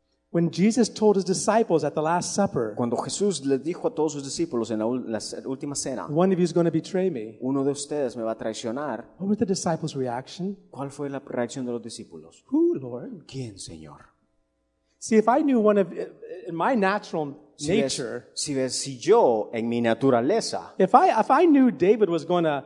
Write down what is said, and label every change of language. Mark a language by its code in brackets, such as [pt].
[en] When Jesus told his disciples at the Last Supper. [es] Cuando Jesús le dijo a todos sus discípulos en la última cena. [en] One of you is going to betray me. [es] Uno de ustedes me va a traicionar. [en] What was the disciples' reaction? [es] ¿Cuál fue la reacción de los discípulos? [en] Who, Lord? [es] ¿Quién, Señor? [en] See, if I knew one of, in my natural nature. [es] Si yo en mi naturaleza. [en] If I knew David was going to.